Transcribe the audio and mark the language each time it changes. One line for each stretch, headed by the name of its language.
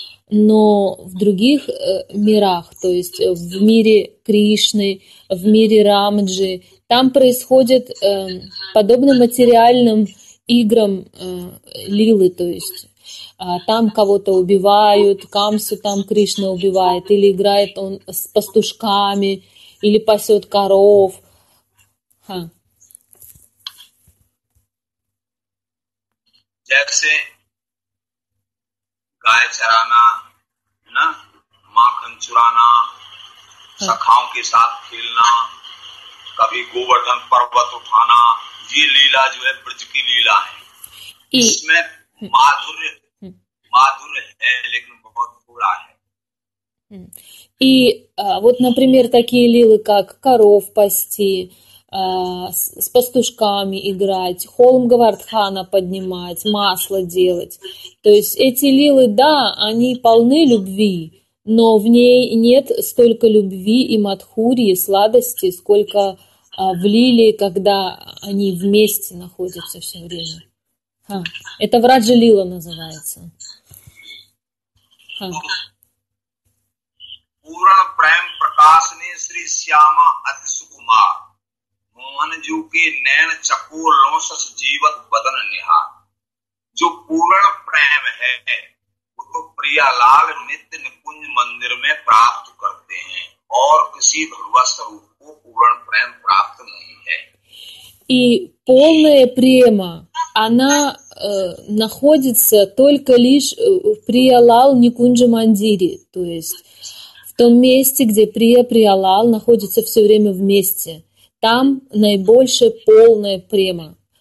Russian: Но в других мирах, то есть в мире Кришны, в мире Рамджи, там происходит подобно материальным играм лилы, то есть там кого-то убивают, Камсу там Кришна убивает, или играет он с пастушками, или пасет коров.
Hindi: जैसे गाय चराना ना माखन चुराना सखाओं के साथ खेलना कभी गोवर्धन पर्वत उठाना ये लीला जो है ब्रज की लीला है इसमें माधुर्य माधुर्य है लेकिन बहुत थोड़ा है
Russian: И вот, например, такие лилы, как коров пасти, с пастушками играть, холм Гавардхана поднимать, масло делать. То есть эти лилы, да, они полны любви, но в ней нет столько любви и мадхурии, сладости, сколько в лиле, когда они вместе находятся все время. Это враджа-лила называется.
Hindi: पूर्ण प्रेम प्रकाश ने श्री श्यामा अति सुकुमार मोहन जू के नैन चकोर लोसस जीवत बदन निहार जो पूर्ण प्रेम है वो तो प्रियालाल नित्य निकुंज मंदिर में प्राप्त करते हैं और किसी भगवत स्वरूप को पूर्ण प्रेम प्राप्त नहीं है
Russian: И полная према, она находится только лишь в Приялал Никунджа Мандире, то есть в том месте, где Прия-Приалал находится все время вместе, там наибольшая полная према.